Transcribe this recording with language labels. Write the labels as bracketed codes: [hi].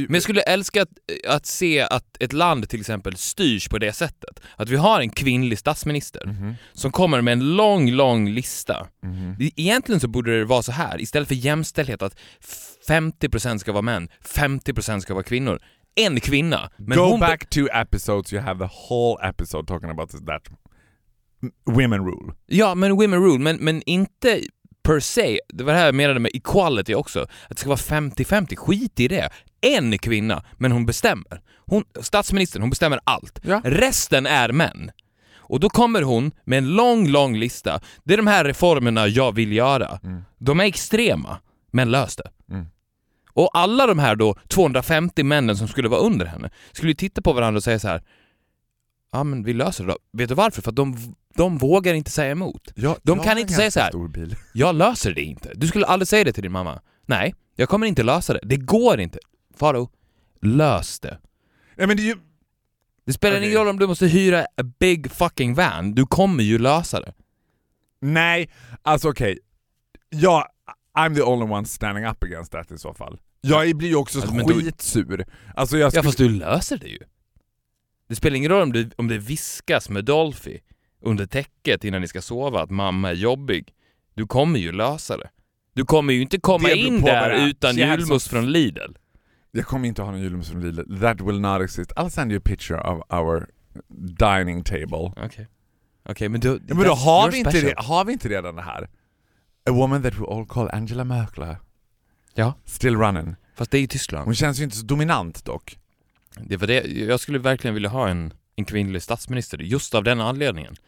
[sv] Men jag skulle älska att se att ett land till exempel styrs på det sättet. Att vi har en kvinnlig statsminister som kommer med en lång, lång lista. Mm-hmm. Egentligen så borde det vara så här. Istället för jämställdhet att 50% ska vara män, 50% ska vara kvinnor. En kvinna. [en] Men go back two episodes, you have the whole episode talking about that. Women rule. [sv] Ja, men [en] women rule. [sv] Men inte... per se, det var det här jag menade med equality också, att det ska vara 50-50, skit i det, en kvinna, men hon bestämmer, hon, statsministern, hon bestämmer allt, ja. Resten är män, och då kommer hon med en lång, lång lista, det är de här reformerna jag vill göra, de är extrema, men lös det. Mm. Och alla de här då 250 männen som skulle vara under henne skulle ju titta på varandra och säga så här: ja, men vi löser det då. Vet du varför? För att de vågar inte säga emot. De kan inte säga så här: jag löser det inte. Du skulle aldrig säga det till din mamma. Nej, jag kommer inte lösa det. Det går inte. Faro, lös det. Nej, men det är ju... Det spelar ingen roll om du måste hyra [en] a big fucking van. [sv] Du kommer ju lösa det. Nej, alltså okej. Okay. [en] Jag, I'm the only one standing up against that [sv] i så fall. Jag blir ju också skitsur. Alltså jag fast du löser det ju. Det spelar ingen roll om det viskas med Dolphy under täcket innan ni ska sova att mamma är jobbig. Du kommer ju lösa det. Du kommer ju inte komma in där utan julmust från Lidl. Jag kommer inte ha någon julmust från Lidl. [en] That will not exist. I'll send you a picture of our dining table. [sv] Okej. Okay, men då, ja, men då har, vi inte det, har vi inte redan det här? [en] A woman that we all call Angela Merkel. [sv] Ja. [en] Still running. [sv] Fast det är ju Tyskland. Hon känns ju inte så dominant dock. Det var det. Jag skulle verkligen vilja ha en kvinnlig statsminister. Just av den anledningen.